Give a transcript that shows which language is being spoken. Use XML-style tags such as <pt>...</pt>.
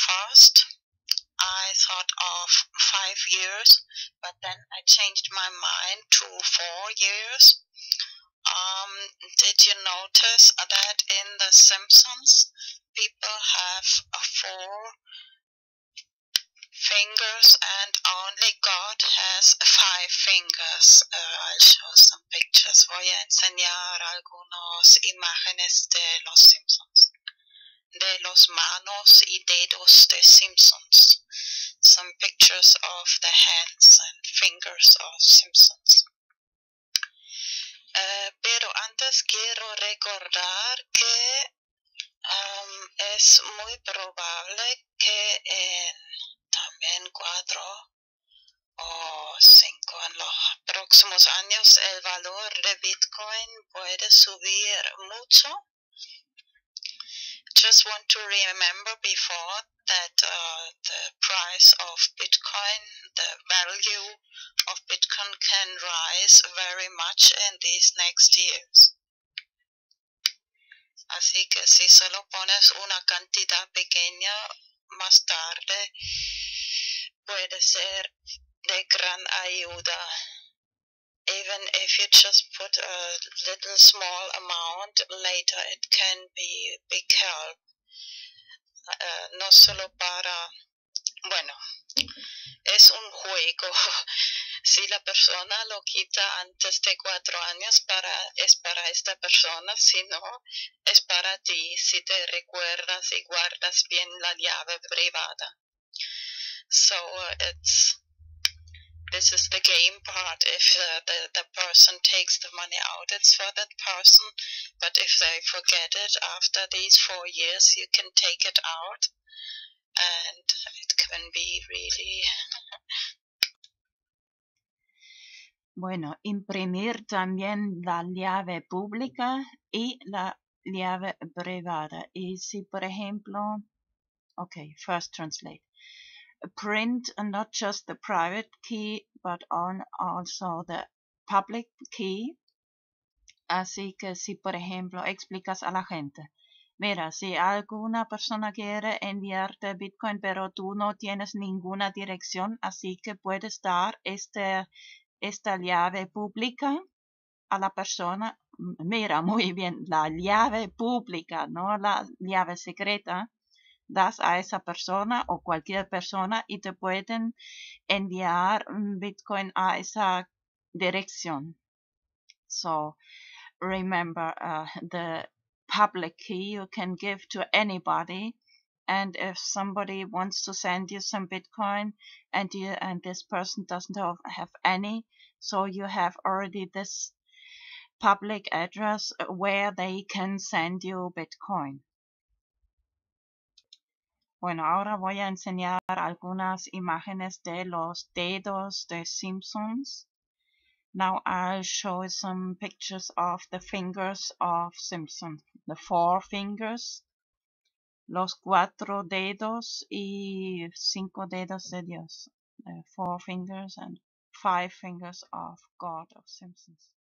<en>First, I thought of 5 years, but then I changed my mind to 4 years. Did you notice that in The Simpsons, people have 4 fingers and only God has 5 fingers. I'll show some pictures.</en> <es>Voy a enseñar algunas imágenes de los Simpsons. De los manos y dedos de Simpsons.</es> <en>Some pictures of the hands and fingers of Simpsons.</en> <es>Pero antes quiero recordar que es muy probable que en también 4 o 5 en los próximos años el valor de Bitcoin puede subir mucho.</es> <en>just want to remember before that the price of Bitcoin, the value of Bitcoin can rise very much in these next years.</en> <es>Así que si solo pones una cantidad pequeña más tarde, puede ser de gran ayuda.</es> <en>Even if you just put a little small amount, later it can be big help.</en> <es>No solo para... Bueno, es un juego. Si la persona lo quita antes de 4 años, es para esta persona. Si no, es para ti, si te recuerdas y guardas bien la llave privada.</es> <en>So, it's... This is the game part. If the person takes the money out, it's for that person. But if they forget it after these 4 years, you can take it out. And it can be really...</en> <es>Bueno, imprimir también la llave pública y la llave privada. Y si, por ejemplo...</es> <en>Okay, first translate. Print not just the private key, but on also the public key.</en> <es>Así que si, por ejemplo, explicas a la gente. Mira, si alguna persona quiere enviarte Bitcoin, pero tú no tienes ninguna dirección, así que puedes dar esta llave pública a la persona. Mira, muy bien, la llave pública, no la llave secreta. Das a esa persona o cualquier persona y te pueden enviar Bitcoin a esa dirección.</es> <en>So, remember, the public key you can give to anybody. And if somebody wants to send you some Bitcoin and this person doesn't have any, so you have already this public address where they can send you Bitcoin.</en> <es>Bueno, ahora voy a enseñar algunas imágenes de los dedos de Simpsons.</es> <en>Now I'll show some pictures of the fingers of Simpsons. The 4 fingers.</en> <es>Los 4 dedos y 5 dedos de Dios.</es> <en>4 fingers and 5 fingers of God of Simpsons.</en>